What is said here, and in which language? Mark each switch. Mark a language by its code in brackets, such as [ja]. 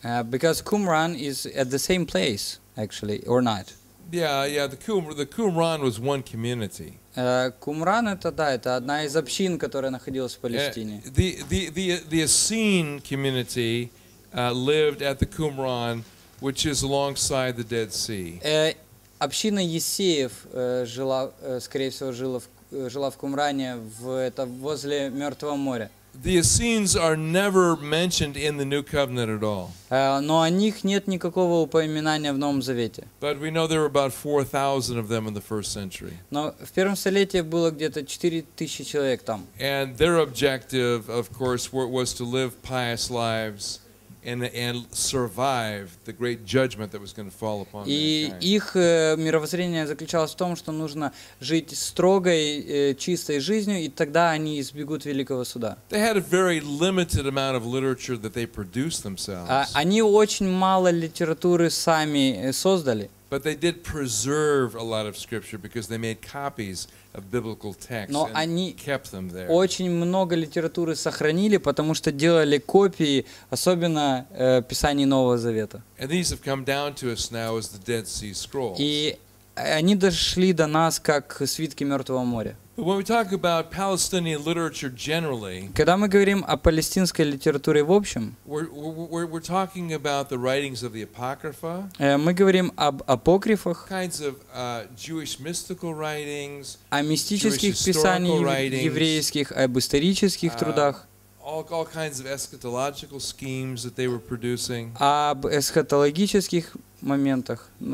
[en] Because Qumran is at the same place, actually, or not? Yeah. The Qumran was one community. [ru] Qumran это да, это одна из общин, которая находилась в Палестине. [en] The Essene community lived at the Qumran, which is alongside the Dead Sea. [ru] Община Есеев жила, скорее всего, жила в Кумране, это возле Мертвого моря. [en] The Essenes are never mentioned in the New Covenant at all. [ru] Но о них нет никакого упоминания в Новом Завете. [en] But we know there were about 4,000 of them in the first century. [ru] Но в первом столетии было где-то 4,000 человек там. [en] And their objective, of course, was to live pious lives and survive the great judgment that was going to fall upon mankind. [ru] И их мировоззрение заключалось в том, что нужно жить строгой, чистой жизнью, и тогда они избегут великого суда. [en] They had a very limited amount of literature that they produced themselves. [ru] Они очень мало литературы сами создали. [en] But they did preserve a lot of scripture because they made copies of biblical texts and kept them there. [ru] Но они очень много литературы сохранили, потому что делали копии, особенно Писаний Нового Завета. [en] And these have come down to us now as the Dead Sea Scrolls. [ru] И они дошли до нас как свитки Мертвого моря. [en] But when we talk about Palestinian literature generally, [ru] когда мы говорим о палестинской литературе в общем, [en] we're talking about the writings of the apocrypha. [ru] Мы говорим об апокрифах. [en] Kinds of Jewish mystical writings. [ru] О мистических писаниях, еврейских, об исторических трудах. [en] All kinds of eschatological schemes that they were producing. [ru] Об эсхатологических моментах.